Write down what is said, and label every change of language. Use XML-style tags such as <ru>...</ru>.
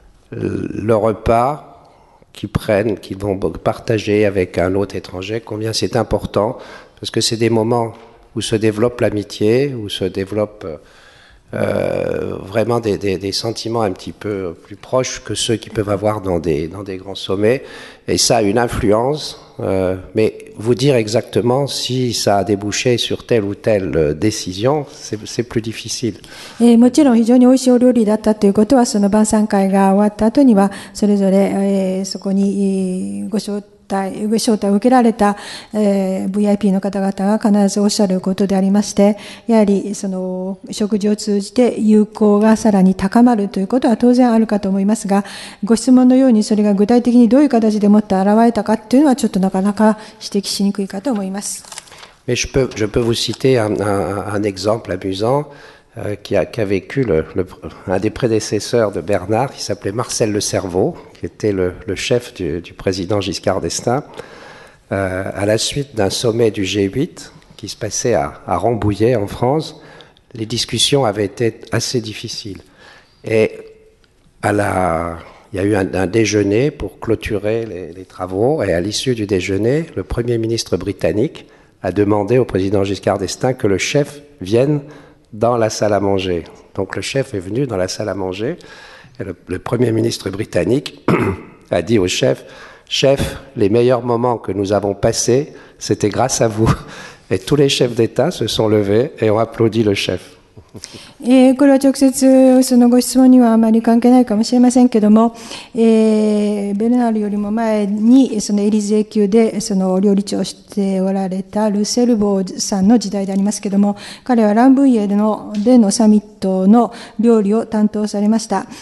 <fr>le repas qu'ils prennent, qu'ils vont partager avec un autre étranger, combien c'est important, parce que c'est des moments où se développe l'amitié, où se développent vraiment des sentiments un petit peu plus proches que ceux qu'ils peuvent avoir dans des grands sommets, et ça a une influence, mais vous dire exactement si ça a débouché sur telle ou telle décision, c'est plus difficile. Et</fr> <ja>もちろん非常に美味しいお料理だったということは、その晩餐会が終わった後にはそれぞれ、そこに、ご招待を受けられた、VIP の方々が必ずおっしゃることでありまして、やはりその食事を通じて友好がさらに高まるということは当然あるかと思いますが、ご質問のようにそれが具体的にどういう形でもって現れたかっていうのはちょっとなかなか指摘しにくいかと思います。</ja> <fr>Mais je peux vous citer un exemple amusant qui a vécu un des prédécesseurs de Bernard, qui s'appelait Marcel Le Cerveau, qui était le chef du président Giscard d'Estaing, à la suite d'un sommet du G8 qui se passait à Rambouillet en France, les discussions avaient été assez difficiles. Et il y a eu un déjeuner pour clôturer les travaux, et à l'issue du déjeuner, le premier ministre britannique a demandé au président Giscard d'Estaing que le chef vienne dans la salle à manger. Donc le chef est venu dans la salle à manger. Et le premier ministre britannique a dit au chef: chef, les meilleurs moments que nous avons passés, c'était grâce à vous. Et tous les chefs d'État se sont levés et ont applaudi le chef.</fr> <ja>これは直接そのご質問にはあまり関係ないかもしれませんけども、ベルナールよりも前にそのエリゼ宮でその料理長をしておられたルセルボーさんの時代でありますけども、彼はランブイエでのサミットの料理を担当されました。</ja>